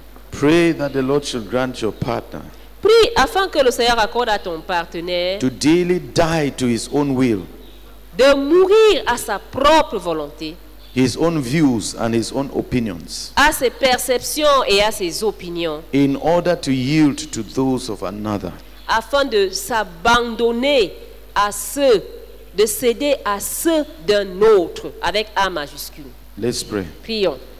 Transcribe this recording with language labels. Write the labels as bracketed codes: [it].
[en] Pray that the Lord should grant your partner. [fr] Prie afin que le Seigneur accorde à ton partenaire. [en] To daily die to his own will. [fr] De mourir à sa propre volonté. [en] His own views and his own opinions. [fr] À ses perceptions et à ses opinions. [en] In order to yield to those of another. [fr] Afin de s'abandonner à ceux, de céder à ceux d'un autre, avec A majuscule. [en] Let's pray. [fr] Prions.